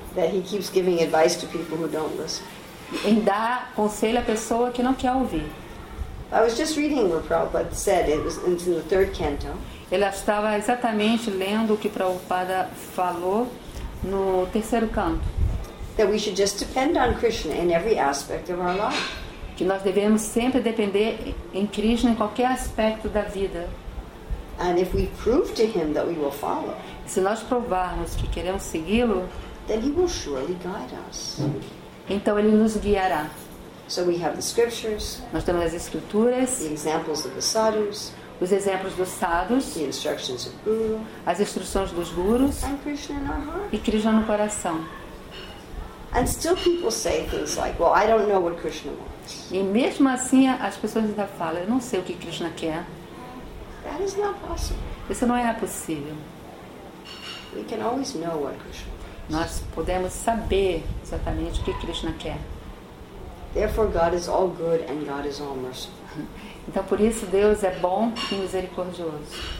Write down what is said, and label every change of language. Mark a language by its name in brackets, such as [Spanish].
[English] That he keeps giving advice to people who don't listen. [Portuguese] Em dar conselho à pessoa que não quer ouvir. [English] I was just reading what Prabhupada said. It was in the third canto. [Portuguese] Ela estava exatamente lendo o que Prabhupada falou no terceiro canto. [English] That we should just depend on Krishna in every aspect of our life. [Portuguese] Que nós devemos sempre depender em Krishna em qualquer aspecto da vida. [English] And if we prove to him that we will follow, [Portuguese] se nós provarmos que queremos segui-lo, [English] then he will surely guide us. [Portuguese] Então ele nos guiará. [English] So we have the scriptures, [Portuguese] nós temos as escrituras, [English] the examples of the sadhus, [Portuguese] os exemplos dos sadhus, [English] the instructions of guru, [Portuguese] as instruções dos gurus, [English] and Krishna in our heart. [Portuguese] E Krishna no coração. [English] And still people say things like, "Well, I don't know what Krishna wants." [Portuguese] E mesmo assim as pessoas ainda falam, "Eu não sei o que Krishna quer." [English] That is not possible. [Portuguese] Isso não é possível. [English] We can always know what Krishna wants. [Portuguese] Nós podemos saber exatamente o que Krishna quer. [English] Therefore, God is all good and God is all merciful. [Portuguese] Então por isso Deus é bom e misericordioso.